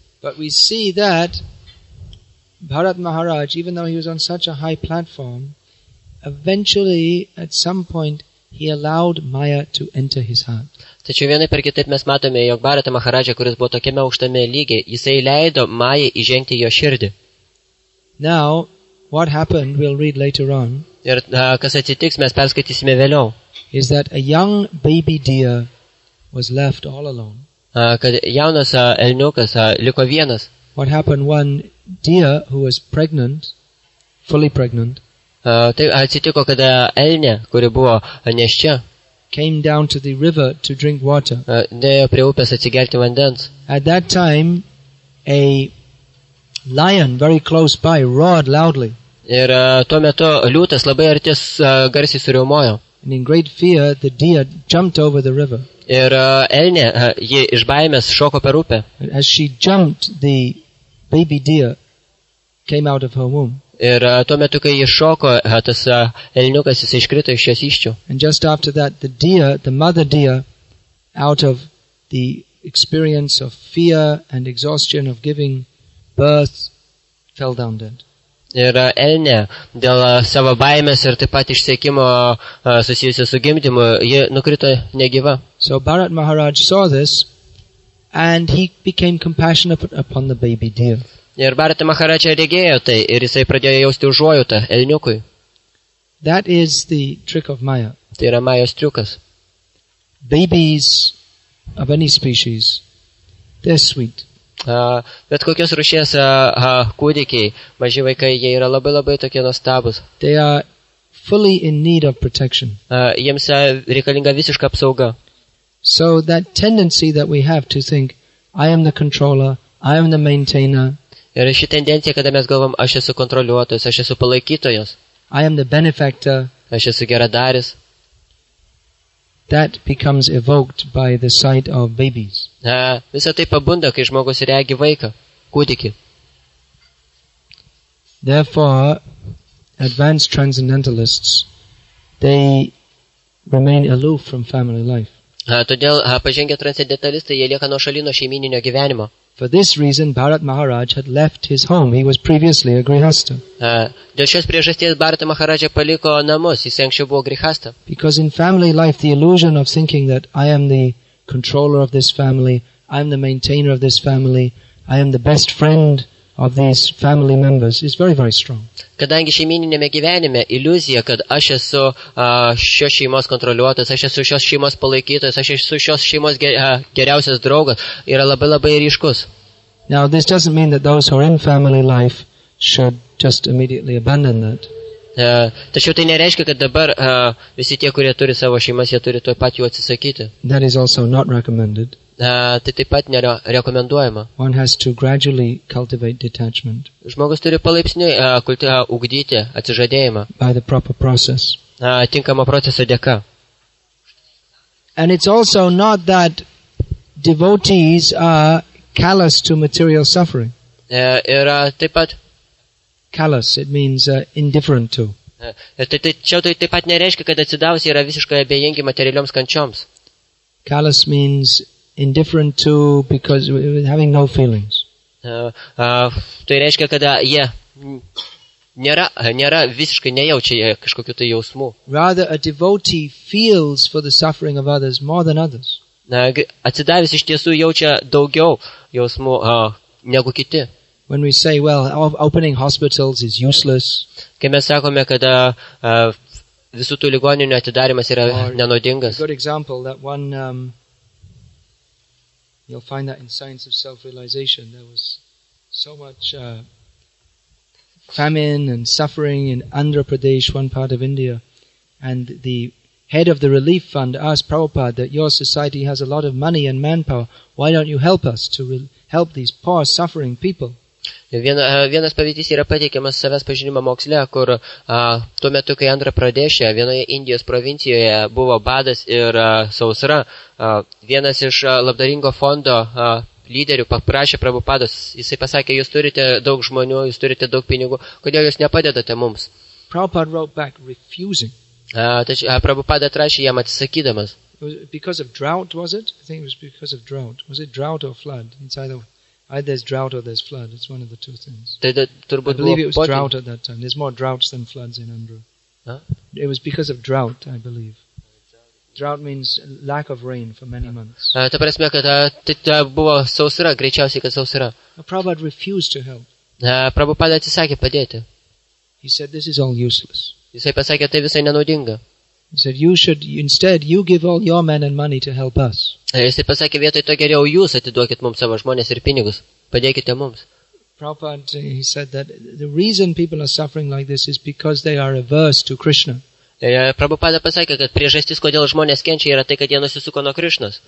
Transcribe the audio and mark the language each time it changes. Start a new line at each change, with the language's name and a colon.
English: But we see that Bharat Maharaj, even though he was on such a high platform, eventually, at some point, he allowed Maya to enter his heart.
Lithuanian: Tačiau vienai per kitaip mes matome, jog Bharata Maharaja, kuris buvo tokiame aukštame lygiai, jisai leido Maya įžengti į jo širdį.
English: Now, what happened, we'll read later on.
Lithuanian: Ir kas atsitiks, mes perskaitysime vėliau.
English: Is that a young baby deer was left all alone.
Lithuanian: kad jaunas elniukas liko vienas.
English: What happened? One deer who was pregnant, fully pregnant.
Lithuanian: Tai atsitiko, kad elnė, kuri buvo nėščia,
English: came down to the river to drink water.
Lithuanian: Nėjo prie upės atsigerti vandens.
English: At that time, a lion very close by roared loudly.
Lithuanian: Ir tuo metu liūtas labai artis garsiai suriaumojo.
English: And in great fear, the deer jumped over the river.
Lithuanian: Ir elnė, ji iš baimės šoko per upę.
English: As she jumped, the baby deer came out of her womb.
Lithuanian: Ir tuo metu, kai ji šoko, tas elniukas, jis iškrito iš jos iščių.
English: And just after that, the deer, the mother deer, out of the experience of fear and exhaustion of giving birth, fell down dead.
Lithuanian: Ir elnė, dėl savo baimės ir taip pat išsekimo susijusio su gimdymu, ji nukrito negyva.
English: So Bharat Maharaj saw this, and he became compassionate upon the baby deer.
Lithuanian: Ir Bharat Maharaj regėjo tai, ir jisai pradėjo jausti užuojautą elniukui.
English: That is the trick of Maya.
Lithuanian: Tai yra Majos triukas.
English: Babies of any species, they're sweet.
Lithuanian: Bet kokios rūšies kūdikiai, maži vaikai, jie yra labai labai tokie nuostabūs.
English: They are fully in need of protection.
Lithuanian: Jiems reikalinga visiška apsauga.
English: So that tendency that we have to think, I am the controller, I am the maintainer.
Lithuanian: Ir ši tendencija, kada mes galvom, aš esu kontroliuotojas, aš esu palaikytojas.
English: I am the benefactor.
Lithuanian: Aš esu geradaris.
English: That becomes evoked by the sight of babies.
Lithuanian: Visa tai pabunda, kai žmogus regi vaiką, kūdikį.
English: Therefore, advanced transcendentalists, they remain aloof from family life.
Lithuanian: Todėl pažengę transcendentalistai, jie lieka nuo šalino šeimininio gyvenimo.
English: For this reason, Bharat Maharaj had left his home. He was previously a grihastha.
Lithuanian: Dėl šios priežasties Bharat Maharaj paliko namus. Jis anksčiau buvo grihastha.
English: Because in family life, the illusion of thinking that I am the controller of this family, I am the maintainer of this family, I am the best friend of these family members is very, very strong.
Lithuanian: Kadangi šeimininėme gyvenime iliuzija, kad aš esu šios šeimos kontroliuotas, aš esu šios šeimos palaikytojas, aš esu šios šeimos geriausias draugas, yra labai labai ryškus.
English: Now, this doesn't mean that those who are in family life should just immediately abandon that.
Lithuanian: Tačiau tai nereiškia, kad dabar visi tie, kurie turi savo šeimas, jie turi tuoj pat jų atsisakyti.
English: That is also not recommended.
Lithuanian: Tai taip pat nėra rekomenduojama.
English: One has to gradually cultivate detachment.
Lithuanian: Žmogus turi palaipsniui ugdyti atsižadėjimą.
English: By the proper process.
Lithuanian: Tinkamo proceso dėka.
English: And it's also not that devotees are callous to material suffering.
Lithuanian: Yra taip pat
English: callous, it means indifferent to.
Lithuanian: Tai taip pat nereiškia, kad atsidavusi yra visiškai abejingi materialioms kančioms.
English: Callous means indifferent to, because having no feelings.
Lithuanian: Tai reiškia, kad jie nėra visiškai nejaučia kažkokių tai jausmų.
English: Rather, a devotee feels for the suffering of others more than others.
Lithuanian: Atsidavęs iš tiesų jaučia daugiau jausmų negu kiti.
English: When we say, well, opening hospitals is useless.
Lithuanian: Kai mes sakome, kad visų tų ligoninių atidarimas yra nenaudingas.
English: A good example that one you'll find that in Science of Self-Realization. There was so much famine and suffering in Andhra Pradesh, one part of India. And the head of the relief fund asked Prabhupada that your society has a lot of money and manpower. Why don't you help us to help these poor, suffering people?
Lithuanian: Vienas pavyzdys yra pateikiamas savęs pažinimo moksle, kur tuo metu, kai Andhra Pradeshe, vienoje Indijos provincijoje, buvo badas ir sausra, vienas iš labdaringo fondo lyderių paprašė Prabhupados, jisai pasakė, jūs turite daug žmonių, jūs turite daug pinigų, kodėl jūs nepadedate mums?
English: Prabhupada wrote back refusing.
Lithuanian: Prabhupada atrašė jam atsisakydamas.
English: Because of drought, was it? I think it was because of drought. Was it drought or flood inside the... Either there's drought or there's flood. It's one of the two things.
Lithuanian: Turbūt
English: I believe it was drought at that time. There's more droughts than floods in Andhra. Huh? It was because of drought, I believe. Drought means lack of rain for many months.
Lithuanian: Ta prasme, kad tai buvo sausra, greičiausiai, kad sausra.
English: Prabhupada refused to help.
Lithuanian: Prabhupada atsisakė padėti.
English: He said, this is all useless.
Lithuanian: Jisai pasakė, tai visai nenaudinga.
English: He said, "You should instead you give all your men and money to help us."
Lithuanian: Jis pasakė, vietoj to geriau jūs atiduokit mums savo žmonės ir pinigus, padėkite mums.
English: Prabhupada, he said that the reason people are suffering like this is because they are averse to Krishna.
Lithuanian: Prabhupada pasakė, kad priežastis, kodėl žmonės kenčia, yra tai, kad jie nusisuko nuo Krishnos.